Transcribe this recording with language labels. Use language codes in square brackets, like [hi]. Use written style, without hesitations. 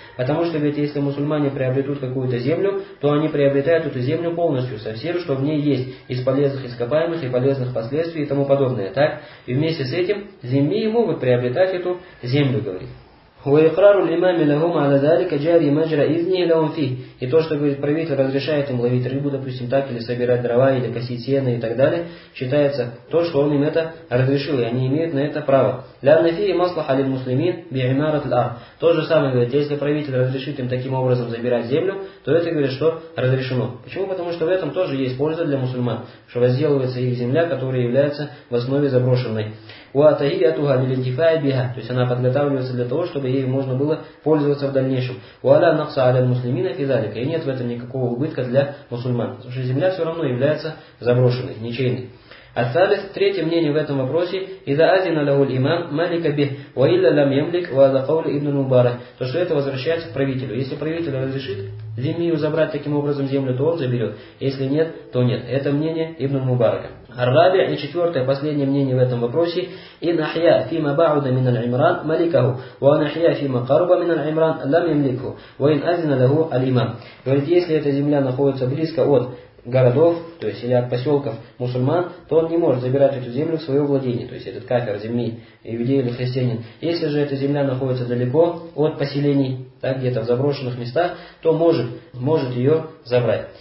[ru] Потому что ведь если мусульмане приобретут какую-то землю, то они приобретают эту землю полностью, со всем, что в ней есть, из полезных ископаемых и полезных последствий и тому подобное. Так? И вместе с этим земли могут приобретать эту землю, говорит. [ar] وإقرار الإمام لهم على ذلك جاري مجرى إذنه لهم فيه. [ru] И то, что говорит правитель, разрешает им ловить рыбу, допустим, так, или собирать дрова, или косить сено и так далее, считается то, что он им это разрешил, и они имеют на это право. [ar] لأن فيه مصلحة للمسلمين بعمارة الأرض. [ru] То же самое говорит, если правитель разрешит им таким образом забирать землю, то это говорит, что разрешено. Почему? Потому что в этом тоже есть польза для мусульман, что возделывается их земля, которая является в основе заброшенной. [ar] وأتهيئتها للانتفاع بها. [ru] То есть она подготавливается для того, чтобы ей можно было пользоваться в дальнейшем. [ar] ولا نقص على المسلمين في ذلك. [ru] И нет в этом никакого убытка для мусульман. Потому что земля все равно является заброшенной, ничейной. [ar] الثالث, [ru] третье мнение в этом вопросе, [ar] إذا أذن له الإمام ملك به وإلا لم يملك وهذا قول ابن المبارك. [ru] То, что это возвращается к правителю. Если правитель разрешит землю забрать таким образом землю, то он заберет. Если нет, то нет. Это мнение ибн Мубарака. [ar] الرابع, [ru] и четвертое, последнее мнение в этом вопросе, [ar] إن أحيا فيما بعد من العمران ملكه وإن أحيا فيما قرب من العمران لم يملكه وإن أذن له الإمام. [ru] Говорит, если эта земля находится близко от городов, то есть или от поселков мусульман, то он не может забирать эту землю в свое владение, то есть этот кафир земли, иудей или христианин. Если же эта земля находится далеко от поселений, так, где-то в заброшенных местах, то может ее забрать.